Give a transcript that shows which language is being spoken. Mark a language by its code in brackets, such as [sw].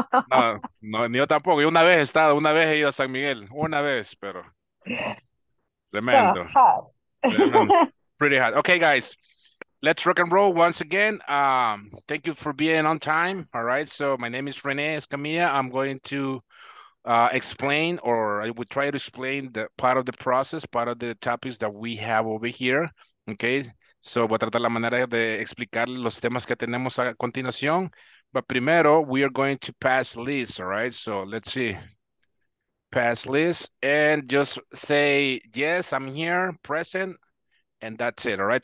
[es] No, no, ni yo tampoco. Yo una vez he ido a San Miguel, una vez, pero [en] So [es] tremendo, [en] hot. [es] tremendo, [en] pretty hot. Okay, guys, let's rock and roll once again. Thank you for being on time. All right, so my name is Rene Escamilla. I'm going to explain, or I will try to explain the part of the process, part of the topics that we have over here. Okay, so [es] voy a tratar la manera de explicar los temas que tenemos a continuación. [en] But [es] primero, [en] we are going to pass list, all right? So let's see. Pass list and just say, yes, I'm here, present, and that's it, all right?